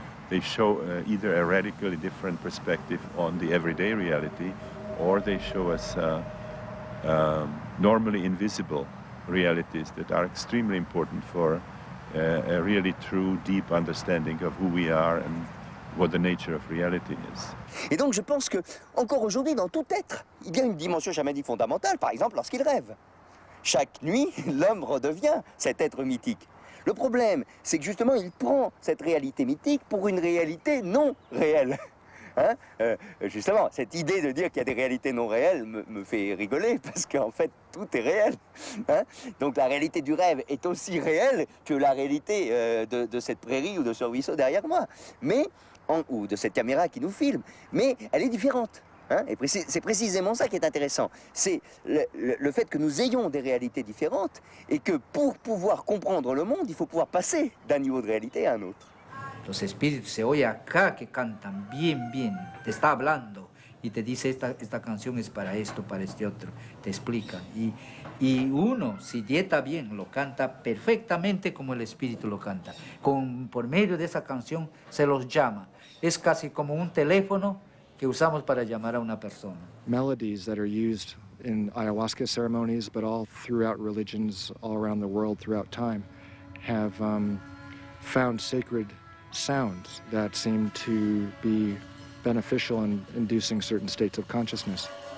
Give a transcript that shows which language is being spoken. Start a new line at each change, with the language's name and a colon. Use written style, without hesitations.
English: They show either a radically different perspective on the everyday reality, or they show us normally invisible realities that are extremely important for a really true, deep understanding of who we are and what the nature of reality is.
French: Et donc je pense que encore aujourd'hui dans tout être, il y a une dimension chamanique fondamentale, par exemple lorsqu'il rêve. Chaque nuit, l'homme redevient cet être mythique. Le problème, c'est que justement, il prend cette réalité mythique pour une réalité non réelle. Hein? Justement, cette idée de dire qu'il y a des réalités non réelles me fait rigoler, parce qu'en fait, tout est réel. Hein? Donc la réalité du rêve est aussi réelle que la réalité de cette prairie ou de ce ruisseau derrière moi, ou de cette caméra qui nous filme, mais elle est différente. Hein? Et c'est précisément ça qui est intéressant. C'est le fait que nous ayons des réalités différentes et que pour pouvoir comprendre le monde, il faut pouvoir passer d'un niveau de réalité à un autre.
Spanish: Los espíritus se oye acá que cantan bien, bien. Te está hablando y te dice esta canción es para esto, para este otro. Te explica. Y uno, si dieta bien, lo canta perfectamente como el espíritu lo canta. Por medio de esa canción se los llama. Es casi como un teléfono que usamos para llamar a una persona.
English: Melodies that are used in ayahuasca ceremonies, but all throughout religions all around the world throughout time, have found sacred sounds that seem to be beneficial in inducing certain states of consciousness.